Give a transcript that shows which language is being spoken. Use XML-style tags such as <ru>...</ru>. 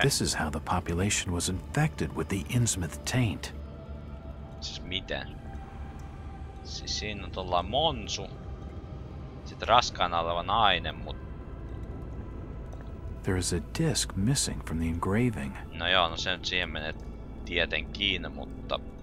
<en>This is how the population was infected with the Innsmouth taint.</en> <fi>Siis mitä? Siis siinä on tollaan monsu. Sit raskaana oleva nainen, mut...</fi> <en>There is a disc missing from the engraving.</en> <fi>No joo, no se nyt siihen menee tietenkin, mutta...</fi>